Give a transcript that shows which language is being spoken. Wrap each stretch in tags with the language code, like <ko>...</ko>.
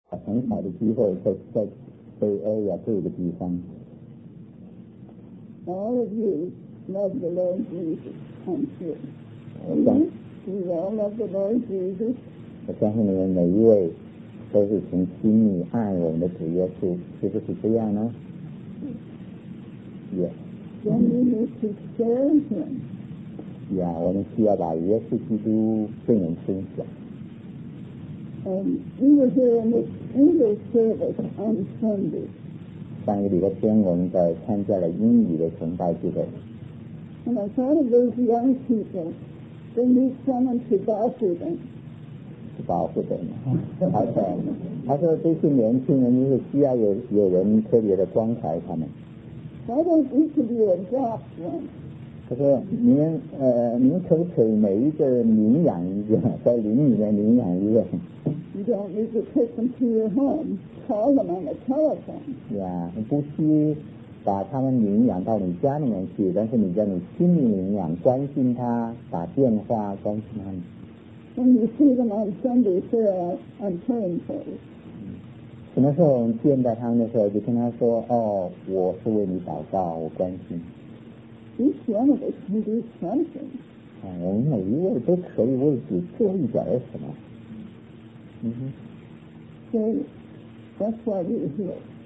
<zh>很好的机会在北欧呀、这个地方。</zh> <en>All of you love the Lord Jesus, I'm sure. You all love the Lord Jesus.</en> <zh>我相信你们每一位都是从心里爱我们的主耶稣，是不是这样呢？</zh> <en>Yes. Then we need to share him.</en> <zh>Yeah, 我们需要把耶稣基督跟人分享。</zh> <en>We were here in the English service on Sunday.</en> <zh>上一个礼拜天我们在参加了英语的崇拜聚会。</zh> <en>And I thought of those young people, they need someone to bother them. To bother them. Okay.</en> <zh>他说这些年轻人是需要 有人特别的关怀他们。</zh> <en>Why don't each of you adopt them?</en> <zh>他说您可不可以每一个领养一个，在邻里面领养一个。</zh> <en>You don't need to take them to your home. Call them on the telephone.</en> <zh>Yeah, 不需把他们领养到你家里面去，但是你在你心里领养，关心他，打电话关心他们。</zh> <en>When you see them on Sunday, say, I'm praying for you.</en> <zh>什么时候见到他们的时候，就跟他说，哦，我是为你祷告，我关心。</zh> <en>Each one of us can do something.</en> <zh>我们每一位都可以为自己做一点什么。</zh> <en>Mm-hmm. So that's why we're here.</en>